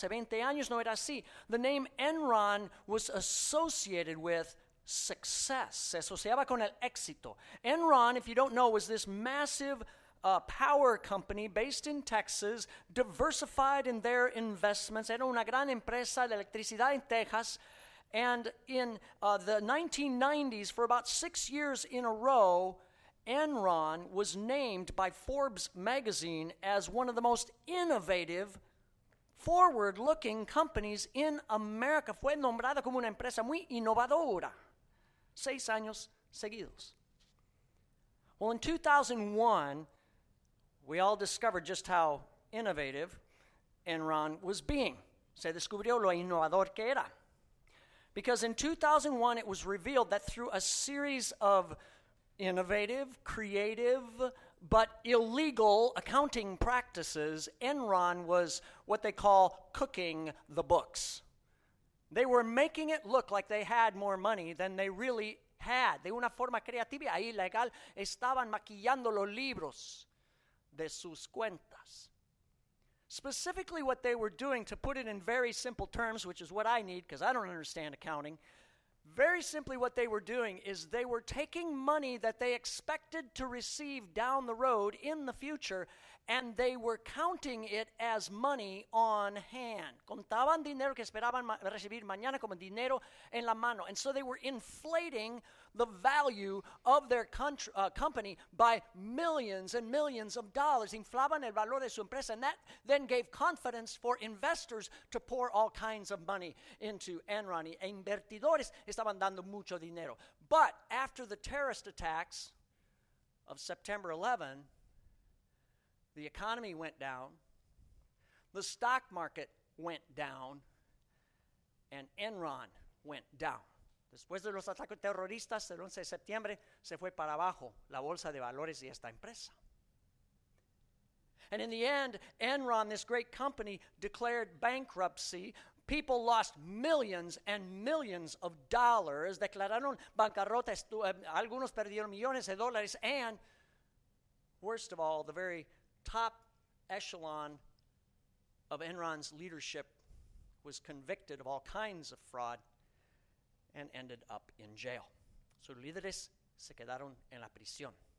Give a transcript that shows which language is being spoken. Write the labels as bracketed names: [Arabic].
[Spanish] Hace 20 años no era así. [English] The name Enron was associated with success. [Spanish] Se asociaba con el éxito. [English] Enron, if you don't know, was this massive power company based in Texas, diversified in their investments. [Spanish] Era una gran empresa de electricidad en Texas. [English] And in the 1990s, for about 6 years in a row, Enron was named by Forbes magazine as one of the most innovative, forward-looking companies in America. [Spanish] Fue nombrada como una empresa muy innovadora. 6 años seguidos. [English] Well, in 2001, we all discovered just how innovative Enron was being. [Spanish] Se descubrió lo innovador que era. [English] Because in 2001, it was revealed that through a series of innovative, creative, but illegal accounting practices, Enron was what they call cooking the books. They were making it look like they had more money than they really had. [Spanish] De una forma creativa, ahí legal, estaban maquillando los libros de sus cuentas. [English] Specifically, what they were doing, to put it in very simple terms, which is what I need because I don't understand accounting, very simply, what they were doing is they were taking money that they expected to receive down the road in the future, and they were counting it as money on hand. [Spanish] Contaban dinero que esperaban recibir mañana como dinero en la mano. [English] And so they were inflating the value of their company by millions and millions of dollars. [Spanish] Inflaban el valor de su empresa, [English] and that then gave confidence for investors to pour all kinds of money into Enron. [Spanish] E invertidores estaban dando mucho dinero. [English] But after the terrorist attacks of September 11, the economy went down, the stock market went down, and Enron went down. [Spanish] Después de los ataques terroristas del 11 de septiembre, se fue para abajo la bolsa de valores y esta empresa. [English] And in the end, Enron, this great company, declared bankruptcy. People lost millions and millions of dollars. [Spanish] Declararon bancarrota, algunos perdieron millones de dólares, [English] and worst of all, the very top echelon of Enron's leadership was convicted of all kinds of fraud and ended up in jail. [Spanish] Sus líderes se quedaron en la prisión.